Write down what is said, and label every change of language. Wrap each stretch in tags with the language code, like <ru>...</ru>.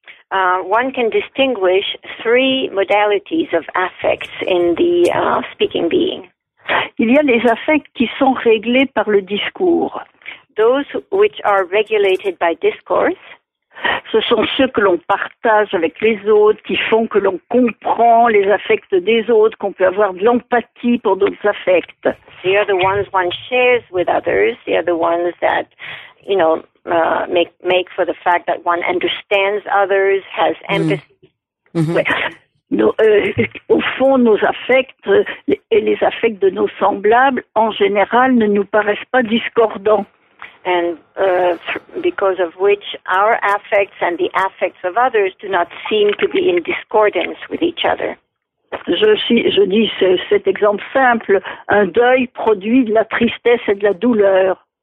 <en>One can distinguish three modalities of affects in the speaking being.</en> <fr>Il y a les affects qui sont réglés par le discours.</fr> <en>Those which are regulated by discourse.</en> <fr>Ce sont ceux que l'on partage avec les autres, qui font que l'on comprend les affects des autres, qu'on peut avoir de l'empathie pour d'autres affects.</fr> <en>They are the ones one shares with others. They are the ones that, you know, make for the fact that one understands others, has empathy. Mm-hmm. Ouais.</en> <fr>Nos, au fond, nos affects et les affects de nos semblables, en général, ne nous paraissent pas discordants.</fr> <en>And because of which our affects and the affects of others do not seem to be in discordance with each other.</en> <fr>Je dis cet exemple simple. Un deuil produit de la tristesse et de la douleur.</fr>